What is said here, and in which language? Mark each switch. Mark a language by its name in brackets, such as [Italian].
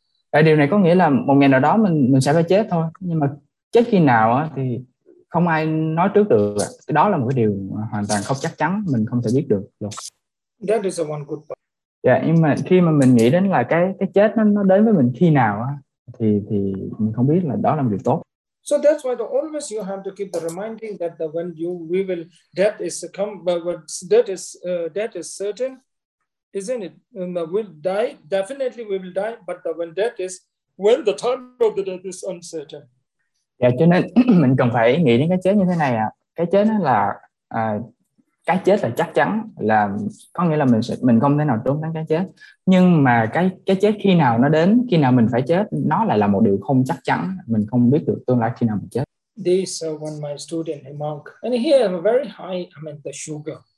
[Vietnamese] Tại điều này có nghĩa là một ngày nào đó mình sẽ phải chết thôi. Nhưng mà chết khi nào thì không ai nói trước được. Cái đó là một cái điều hoàn toàn không chắc chắn, mình không thể biết được luôn. [English] That is the one good part. [Vietnamese] Yeah, nhưng mà khi mà mình nghĩ đến là cái chết nó đến với mình khi nào thì mình không biết là đó là một điều tốt. [English] So that's why the always you have to keep the reminding that the when you we will death is come, but death is certain, isn't it? We'll die, definitely we will die, but the when death is, when the time of the death is uncertain. [Vietnamese] Dạ, cho nên mình cần phải nghĩ đến cái chết như thế này ạ. Cái chết là cái chết là chắc chắn, là có nghĩa là mình không thể nào trốn tránh cái chết. Nhưng mà cái chết khi nào nó đến, khi nào mình phải chết, nó lại là một điều không chắc chắn. Mình không biết được tương lai khi nào mình chết. [English] This is one of my student, a monk, and he has a very high amount of sugar.